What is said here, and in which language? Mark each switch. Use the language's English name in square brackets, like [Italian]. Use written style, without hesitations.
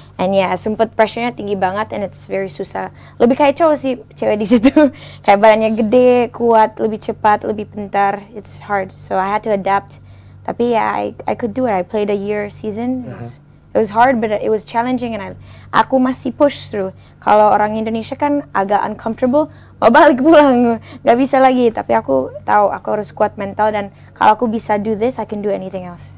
[English] And yeah, [Indonesian] sempet pressure-nya tinggi banget [English] and it's very [Indonesian] susah. Lebih kayak cowok sih, cewek di situ. Kayak badannya gede, kuat, lebih cepat, lebih pintar. [English] It's hard, so I had to adapt. [Indonesian] Tapi ya, [English] I could do it. I played a year season. It was hard, but it was challenging, and [Indonesian] aku masih [English] push through. [Indonesian] Kalau orang Indonesia kan agak uncomfortable, mau balik pulang, nggak bisa lagi. Tapi aku tahu, aku harus kuat mental, dan kalau aku bisa [English] do this, I can do anything else.